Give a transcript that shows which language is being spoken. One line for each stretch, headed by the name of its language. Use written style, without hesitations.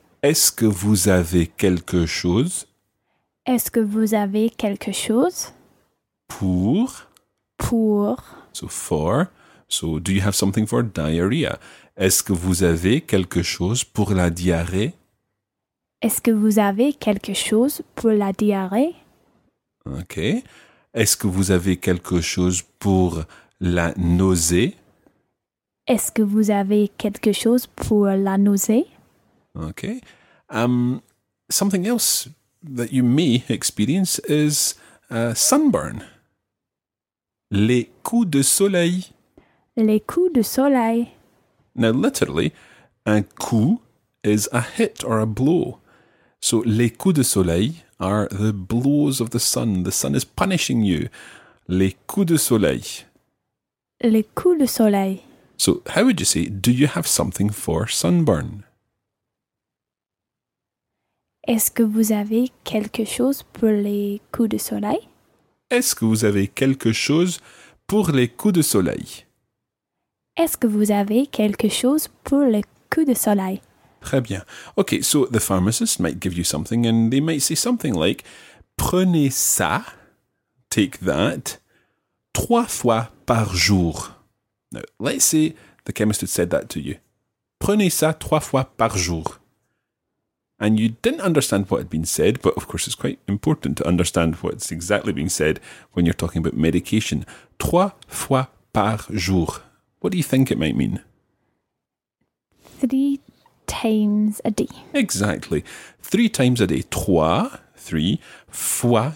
French: Est-ce que vous avez quelque chose? Est-ce que vous avez quelque chose? Pour. Pour.
English: So for. So do you have something for diarrhea?
French: Est-ce que vous avez quelque chose pour la diarrhée? Est-ce que vous avez quelque chose pour la diarrhée?
English: Ok.
French: Est-ce que vous avez quelque chose pour la nausée? Est-ce que vous avez quelque chose pour la nausée?
English: Ok. Something else that you may experience is sunburn.
French: Les coups de soleil. Les coups de soleil.
English: Now, literally, un coup is a hit or a blow. So,
French: les coups de soleil
English: are the blows of the sun. The sun is punishing you.
French: Les coups de soleil. Les coups de soleil.
English: So, how would you say, do you have something for sunburn?
French: Est-ce que vous avez quelque chose pour les coups de soleil? Est-ce que vous avez quelque chose pour les coups de soleil? Est-ce que vous avez quelque chose pour les coups de soleil? Très bien.
English: OK, so the pharmacist might give you something and they might say something like,
French: prenez ça,
English: take that,
French: trois fois par jour.
English: Now, let's say the chemist had said that to you.
French: Prenez ça trois fois par jour.
English: And you didn't understand what had been said, but of course it's quite important to understand what's exactly being said when you're talking about medication.
French: Trois fois par jour.
English: What do you think it might mean? 3 times a day. Exactly. 3 times a day.
French: Trois. Fois.